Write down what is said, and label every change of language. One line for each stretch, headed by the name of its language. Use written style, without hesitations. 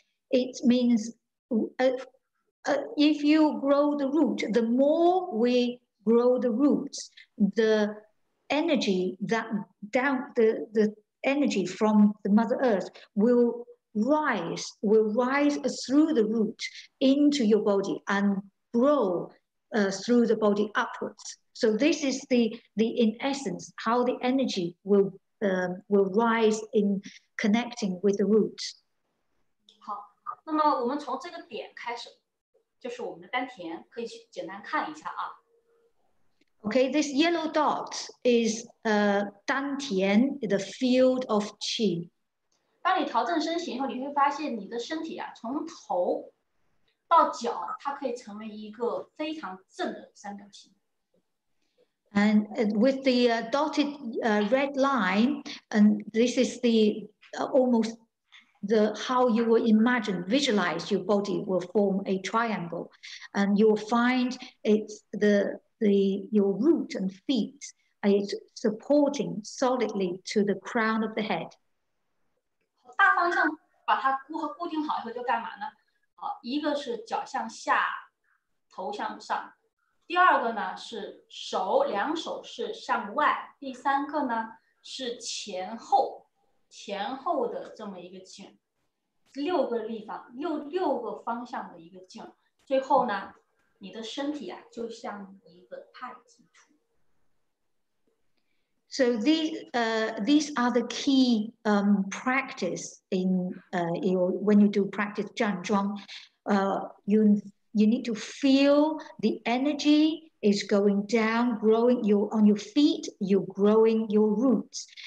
English: it means if you grow the root, the more we grow the roots, the energy that down the energy from the Mother Earth will rise through the root into your body and grow through the body upwards. So this is the in essence how the energy will rise in connecting with the root.
Chinese: 好，那么我们从这个点开始，就是我们的丹田，可以去简单看一下啊。
English: Okay, this yellow dot is Dan Tian, the field of qi.
Chinese: 当你调整身形以后，你会发现你的身体啊，从头到脚，它可以成为一个非常正的三角形。
English: And with the dotted red line, and this is the almost the how you will imagine, visualize your body will form a triangle, and you will find it's your root and feet are supporting solidly to the crown of the head.
Chinese: 大方向把它固定好以后就干嘛呢？一个是脚向下，头向上；第二个呢是手，两手是向外；第三个呢是前后的这么一个劲，六个立方，六个方向的一个劲，最后呢。你的身体啊，就像一个太极图。
English: So these are the key practice in when you do practice Zhan Zhuang, you need to feel the energy is going down, growing your on your feet, you're growing your roots.